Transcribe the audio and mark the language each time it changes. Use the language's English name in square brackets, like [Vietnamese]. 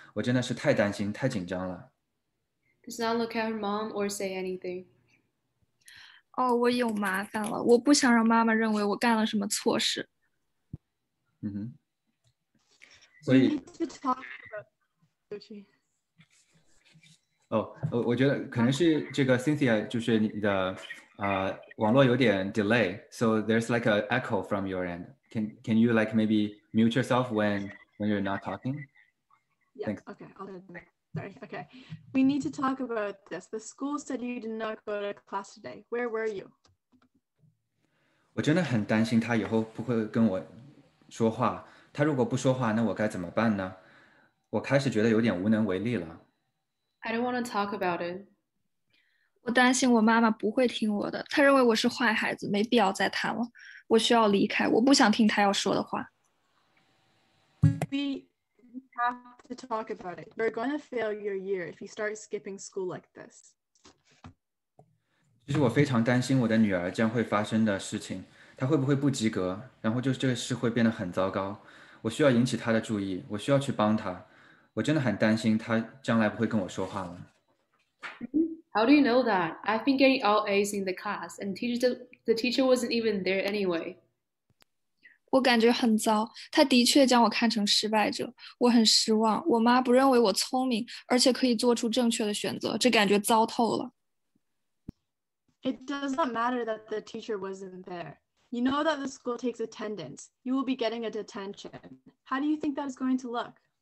[Chinese] 我真的是太担心，太紧张了。 [English] Does not look at her mom or say anything. [Chinese] 哦，我有麻烦了，我不想让妈妈认为我干了什么错事。嗯哼，所 [English] We [Chinese] 以。 [English] need to talk about sushi. [Chinese] 哦，我觉得可能是这个 Cynthia，就是你的网络有点 delay， [English] so there's like a echo from your end. Can you like maybe mute yourself when you're not talking? Yeah, okay, I'll do that. Sorry, okay. We need to talk about this. The school said you did not go to class today. Where were you? [Chinese] 我真的很担心他以后不会跟我说话。他如果不说话，那我该怎么办呢？我开始觉得有点无能为力了。 [English] I don't want to talk about it. [Chinese] 我担心我妈妈不会听我的，她认为我是坏孩子，没必要再谈了。我需要离开，我不想听她要说的话。 [English] We have to talk about it. You're going to fail your year if you start skipping school like this. [Chinese] 其实我非常担心我的女儿将会发生的事情，她会不会不及格，然后就这个事会变得很糟糕。我需要引起她的注意，我需要去帮她。我真的很担心她将来不会跟我说话了。 [English] How do you know that? I've been getting all A's in the class, and the teacher wasn't even there anyway. [Chinese] 我感觉很糟，他的确将我看成失败者，我很失望。我妈不认为我聪明，而且可以做出正确的选择，这感觉糟透了。 [English] It does not matter that the teacher wasn't there. You know that the school takes attendance. You will be getting a detention. How do you think that is going to look?